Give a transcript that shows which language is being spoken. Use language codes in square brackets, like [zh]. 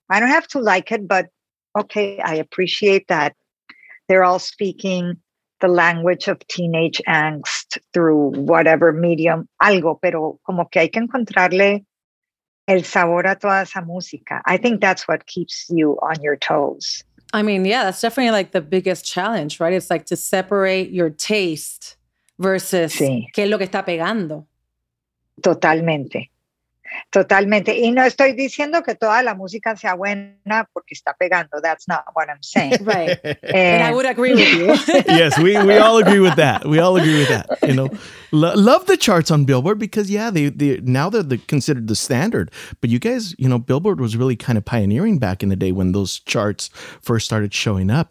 [en] I don't have to like it, but okay, I appreciate that they're all speaking the language of teenage angst through whatever medium, [es] algo, pero como que hay que encontrarle el sabor a toda esa música. [en] I think that's what keeps you on your toes. I mean, yeah, that's definitely like the biggest challenge, right? It's like to separate your taste versus sí. [es] qué es lo que está pegando. Totalmente. Totalmente. Y no estoy diciendo que toda la música sea buena porque está pegando. [en] That's not what I'm saying. Right. And I would agree with you. Yes, we all agree with that. We all agree with that. You know, love the charts on Billboard because, yeah, they now they're considered the standard. But you guys, you know, Billboard was really kind of pioneering back in the day when those charts first started showing up.